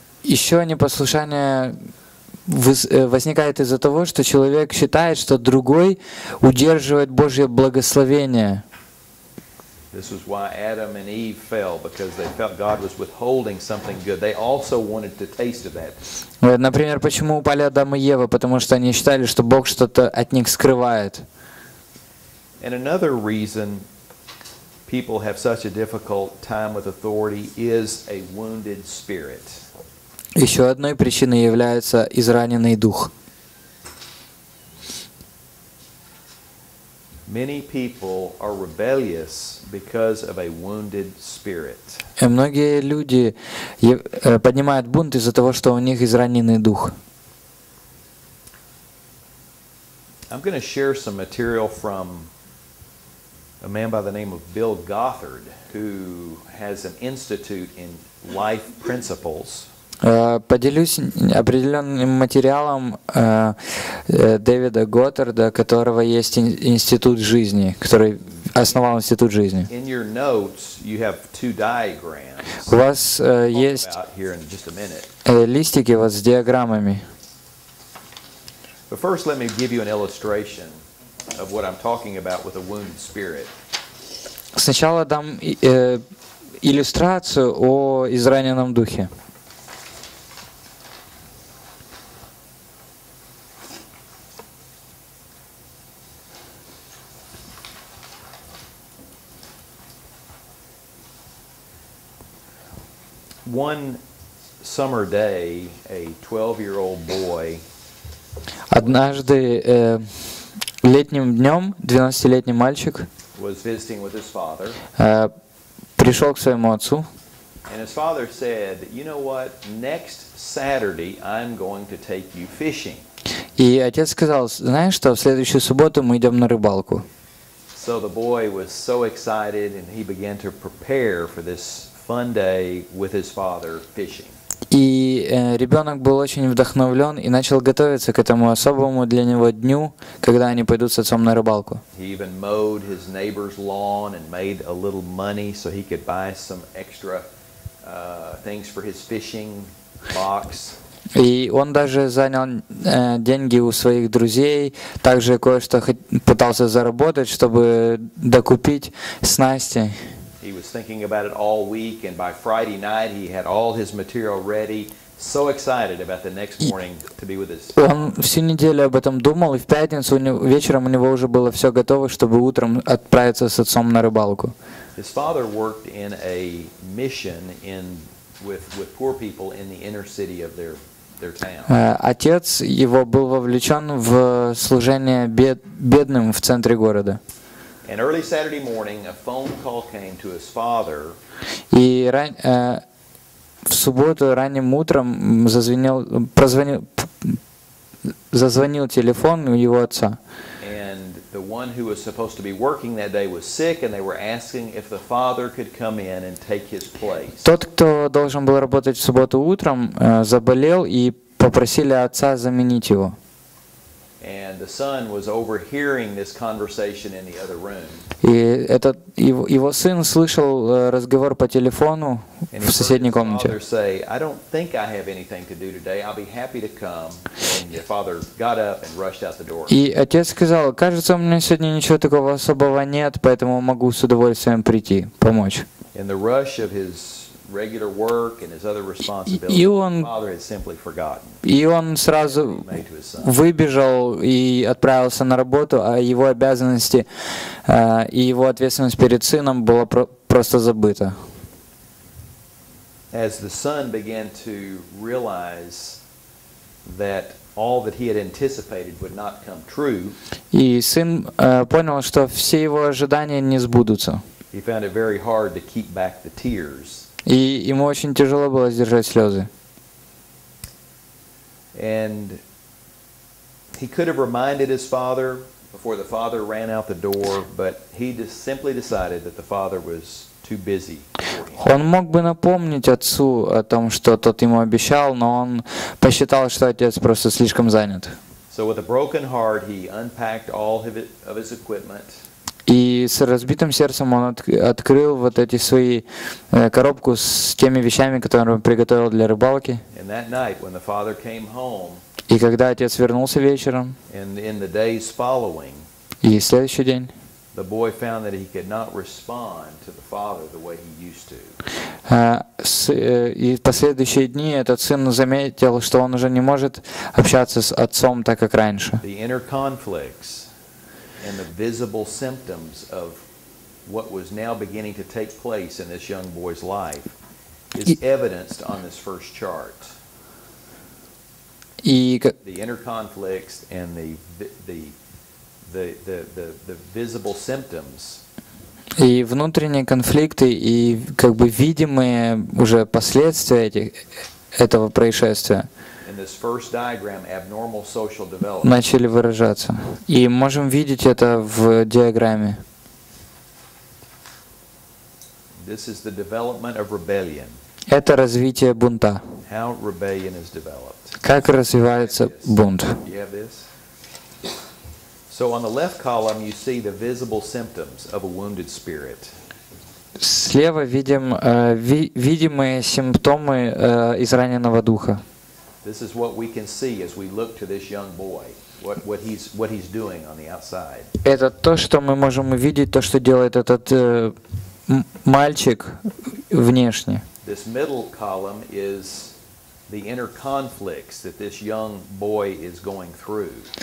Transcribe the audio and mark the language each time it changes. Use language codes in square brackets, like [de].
[ru] Еще непослушание возникает из-за того, что человек считает, что другой удерживает Божье благословение. [en] This is why Adam and Eve fell, because they felt God was withholding something good. They also wanted to taste of that. [ru] Например, почему упали Адам и Ева? Потому что они считали, что Бог что-то от них скрывает. [en] And another reason people have such a difficult time with authority is a wounded spirit. [ru] Еще одной причиной является израненный дух. [en] Many people are rebellious because of a wounded spirit. [ru] Многие люди поднимают бунт из-за того, что у них израненный дух. [en] I'm going to share some material from a man by the name of Bill Gothard, who has an institute in life principles. [ru] Поделюсь определенным материалом Дэвида Готтарда, у которого есть институт жизни, который основал институт жизни. [en] In your notes, you have two diagrams. [ru] У вас есть листики вот с диаграммами. [en] But first, let me give you an illustration of what I'm talking about with a wounded spirit. [ru] Сначала дам иллюстрацию о израненном духе. [en] One summer day, a 12-year-old boy. [ru] Однажды летним днем 12-летний мальчик [en] was visiting with his father. [ru] Пришел к своему отцу. [en] And his father said, "You know what? Next Saturday, I'm going to take you fishing." [ru] И отец сказал: "Знаешь что? В следующую субботу мы идем на рыбалку." [en] So the boy was so excited, and he began to prepare for this fun day with his father fishing. [ru] И ребенок был очень вдохновлен и начал готовиться к этому особому для него дню, когда они пойдут с отцом на рыбалку. [en] He even mowed his neighbor's lawn and made a little money so he could buy some extra things for his fishing box. [ru] И он даже занял деньги у своих друзей, также кое-что пытался заработать, чтобы докупить снасти. [en] He was thinking about it all week, and by Friday night he had all his material ready. So excited about the next morning to be with his. [ru] Он всю неделю об этом думал, и в пятницу вечером у него уже было все готово, чтобы утром отправиться с отцом на рыбалку. [en] His father worked in a mission with poor people in the inner city of their town. [ru] Отец его был вовлечен в служение бедным в центре города. [en] And early Saturday morning, a phone call came to his father. [ru] И в субботу ранним утром зазвонил телефон у его отца. [en] And the one who was supposed to be working that day was sick, and they were asking if the father could come in and take his place. [ru] Тот, кто должен был работать в субботу утром, заболел и попросили отца заменить его. [en] And the son was overhearing this conversation in the other room. [ru] И этот его сын слышал разговор по телефону в соседней комнате. [en] And his father say, "I don't think I have anything to do today. I'll be happy to come." And the father got up and rushed out the door. [ru] И отец сказал: "Кажется, у меня сегодня ничего такого особого нет, поэтому могу с удовольствием прийти, помочь." [en] In the rush of his regular work and his other responsibilities, [ru] он, [en] his father had simply forgotten. [ru] И он сразу выбежал и отправился на работу, а его обязанности и его ответственность перед сыном была просто забыта. [en] As the son began to realize that all that he had anticipated would not come true, [ru] и сын понял, что все его ожидания не сбудутся. [en] He found it very hard to keep back the tears. [ru] И ему очень тяжело было сдержать слезы. [en] And he could have reminded his father before the father ran out the door, but he just simply decided that the father was too busy. [ru] Он мог бы напомнить отцу о том, что тот ему обещал, но он посчитал, что отец просто слишком занят. [en] So with a broken heart, he unpacked all of his equipment. [ru] И с разбитым сердцем он открыл вот эти свои коробку с теми вещами, которые он приготовил для рыбалки. [en] And that night, when the father came home, [ru] и когда отец вернулся вечером, [en] and in the days following, [ru] и следующий день, [en] the boy found that he could not respond to the father the way he used to. [ru] И в последующие дни этот сын заметил, что он уже не может общаться с отцом так, как раньше. [en] The inner conflicts and the visible symptoms of what was now beginning to take place in this young boy's life is evidenced on this first chart. The inner conflicts and the the visible symptoms. [ru] И внутренние конфликты, и как бы видимые уже последствия этого происшествия [en] in this first diagram, abnormal social development. [ru] Начали выражаться. И можем видеть это в диаграмме. [en] This is the development of rebellion. [ru] Это развитие бунта. [en] How rebellion is developed. [ru] Как развивается бунт? [en] So on the left column you see the visible symptoms of a wounded spirit. [ru] Слева видим видимые симптомы израненного духа. [en] This is what we can see as we look to this young boy, what he's doing on the outside. [ru] Это то, что мы можем увидеть, то, что делает этот мальчик внешне. [en] This middle column is the inner conflicts that this young boy is going through.